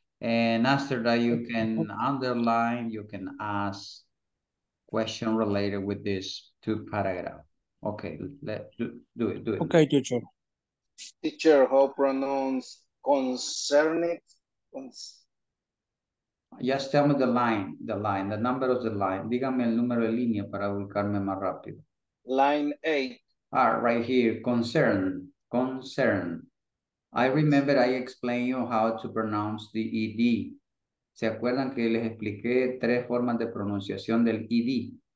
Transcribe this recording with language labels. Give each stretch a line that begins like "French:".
English: And after that, you can underline, you can ask questions related with this two paragraphs. Okay, let's do it. Okay, teacher. Teacher, how pronounce concerned? Yes, tell me the line, the number of the line.
Spanish: Dígame el número de línea para ubicarme más rápido.
English: Line 8. Ah, right here, concern. I remember I explained you how to pronounce the ED.
Spanish: ¿Se acuerdan que les expliqué tres formas de pronunciación del ED?